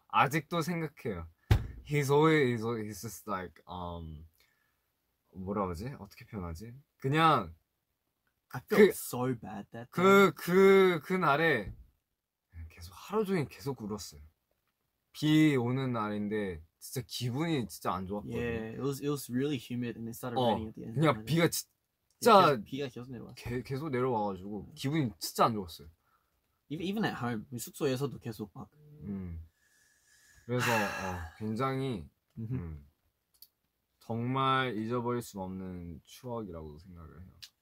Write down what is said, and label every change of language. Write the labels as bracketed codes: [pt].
[ko] 아직도 생각해요. [en] He's always just like [ko] 뭐라 하지? 어떻게 표현하지? 그냥 [en] 그 so bad that [ko] 그 날에 계속 하루 종일 계속 울었어요. 비 오는 날인데. 진짜 기분이 진짜 안 좋았거든요. [en] Yeah, it was really humid and it started raining at the end. [ko] 그냥 비가 진짜 비가 계속 내려왔어. 계속 내려와가지고 기분이 진짜 안 좋았어요. [en] Even at home, [ko] 숙소에서도 계속 막. 그래서 굉장히 정말 잊어버릴 수 없는 추억이라고 생각을 해요.